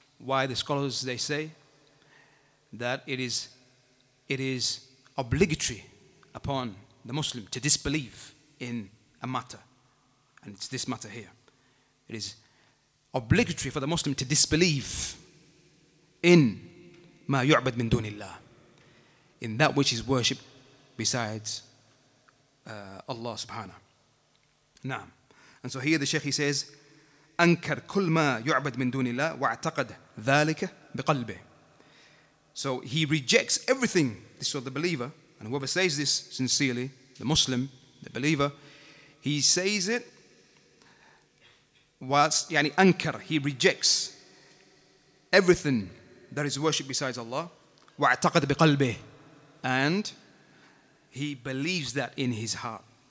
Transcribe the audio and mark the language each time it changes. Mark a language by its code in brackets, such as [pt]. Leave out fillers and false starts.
[en] why the scholars, they say that it is obligatory upon the Muslim to disbelieve in a matter. And it's this matter here. It is obligatory for the Muslim to disbelieve in [ar] ما يعبد من دون الله, [en] in that which is worshipped besides Allah subhanahu. Naam. And so here the Shaykh, he says, [ar] أنكر كل ما يعبد من دون الله واعتقد ذلك بقلبه. [en] So he rejects everything. This is the believer, and whoever says this sincerely, the Muslim, the believer, he says it whilst, yani أنكر, he rejects everything that is worship besides Allah, [ar] واعتقد بقلبه, [en] and he believes that in his heart.